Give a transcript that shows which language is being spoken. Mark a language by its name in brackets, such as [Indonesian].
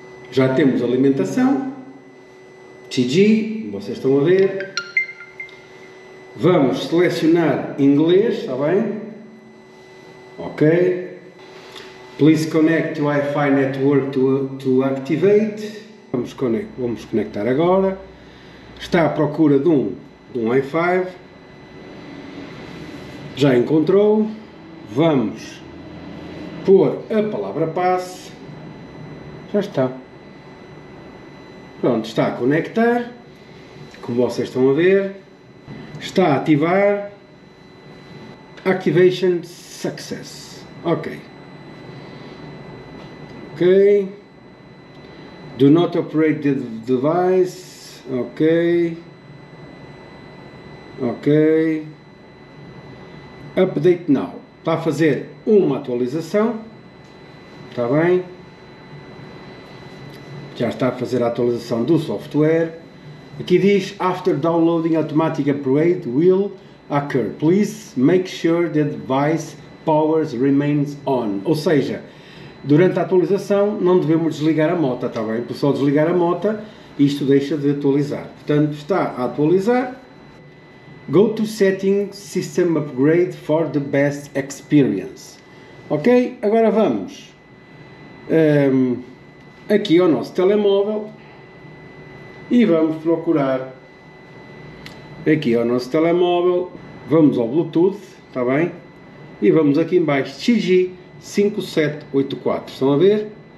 [Portuguese] Já temos alimentação. TG, vocês estão a ver. vamos selecionar inglês, está bem? Ok. [English] Please connect to Wi-Fi network to activate. [Portuguese] Vamos conectar agora. Está à procura de um Wi-Fi. Já encontrou. Vamos pôr a palavra passe. Já está. Pronto, está a conectar. Como vocês estão a ver. Está a ativar. [English] Activation success. Ok. Ok. Do not operate the device. Ok. Ok. Update now. [Portuguese] Está a fazer uma atualização. Está bem? Já está a fazer a atualização do software. Aqui diz, [English] after downloading, automatic upgrade will occur. Please make sure the device powers remains on. [Portuguese] Ou seja, durante a atualização não devemos desligar a moto, está bem? Por só desligar a moto, isto deixa de atualizar. Portanto, está a atualizar. [English] Go to setting system upgrade for the best experience. [Portuguese] Ok, agora vamos aqui ao nosso telemóvel e vamos procurar aqui ao nosso telemóvel, vamos ao Bluetooth, está bem? E vamos aqui em baixo, XG5784, estão a ver?